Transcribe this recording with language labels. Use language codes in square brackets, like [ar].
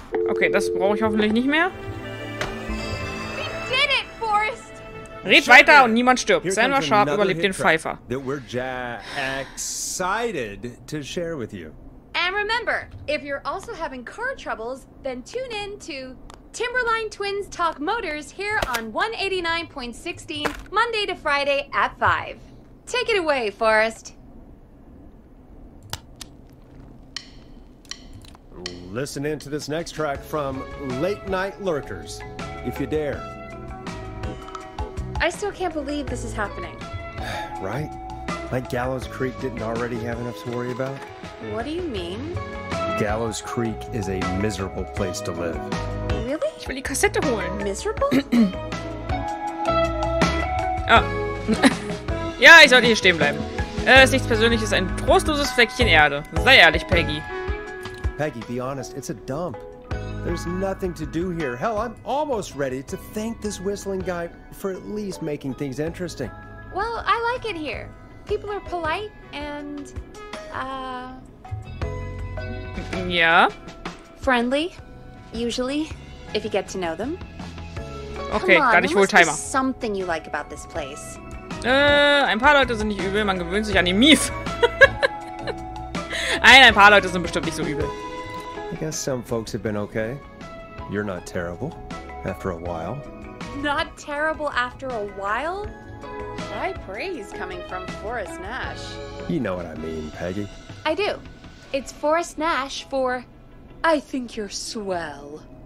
[de] Okay, das brauche ich hoffentlich nicht mehr. [en] We did it, Forrest! [de] Red weiter und niemand stirbt. Sandra Sharp überlebt den Pfeifer. [en] That we're excited to share with you. And remember, if you're also having car troubles, then tune in to Timberline Twins Talk Motors here on 189.16, Monday to Friday at 5. Take it away, Forrest. Listen in to this next track from Late Night Lurkers, if you dare. I still can't believe this is happening. Right? Like Gallows Creek didn't already have enough to worry about? What do you mean? Gallows Creek is a miserable place to live. Really? [de] Ich will die Kassette holen. [en] Miserable? Oh. [de] Ja, ich sollte hier stehen bleiben. Ist nichts Persönliches, ein trostloses Fleckchen Erde. Sei ehrlich, Peggy. [en] Peggy, be honest, it's a dump. There's nothing to do here. Hell, I'm almost ready to thank this whistling guy for at least making things interesting. Well, I like it here. People are polite and, Yeah? Friendly, usually, if you get to know them. Okay, come on, [de] dann ich hol Timer. [en] Something you like about this place. [de] Ein paar Leute sind nicht übel, man gewöhnt sich an die Mief. Nein, ein paar Leute sind bestimmt nicht so übel. [en] I guess some folks have been okay. You're not terrible after a while. Not terrible after a while? High praise coming from Forrest Nash. You know what I mean, Peggy. I do. It's Forrest Nash for I think you're swell.